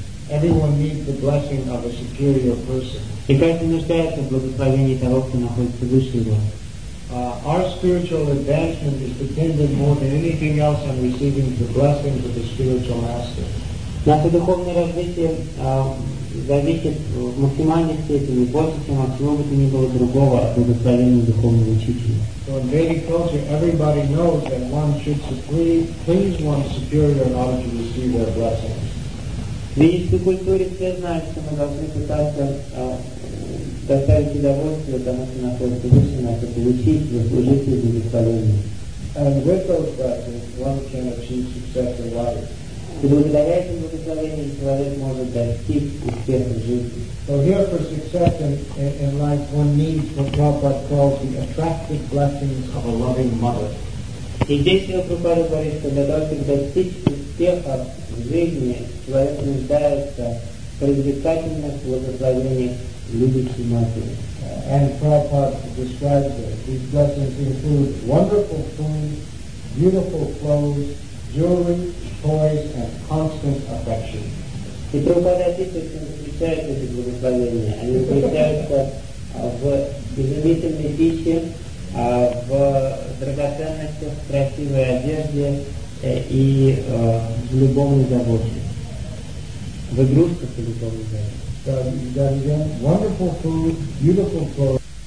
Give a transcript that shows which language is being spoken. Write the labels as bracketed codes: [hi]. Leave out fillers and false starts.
[en] Everyone needs the blessing of a superior person. [ru] И каждый нуждается в благословении того, кто находится выше его. [en] Our spiritual advancement is dependent more than anything else on receiving the blessings of the spiritual master. [ru] Наше духовное развитие зависит в максимальной степени, больше, чем от чего бы то ни было другого, от благословения духовного учителя. [en] So in Vedic culture, everybody knows that one should please one's superior in order to receive their blessings. [ru] В ведической культуре все знают, что мы должны пытаться доставить удовольствие тому, что находится выше нас, и получить, заслужить это благословение. [en] And with those blessings, one can achieve success in life. [ru] И благодаря этим благословениям человек может достичь успеха в жизни. [en] So here for success in life one needs what Prabhupada calls the attractive blessings of a loving mother. [ru] И здесь Прабхупада говорит, что для того, чтобы достичь успеха в жизни, человек нуждается в привлекательных благословениях любящей матери. [en] And Prabhupada describes that these blessings include wonderful food, beautiful clothes, jewelry, toys, and constant affection. [ru] И Прабхупада описывает, что заключает эти благословения. Они заключаются в изумительной пище, в драгоценностях, в красивой одежде и в любовной заботе. В игрушках и любовной заботе. [en] Wonderful food, beautiful clothes.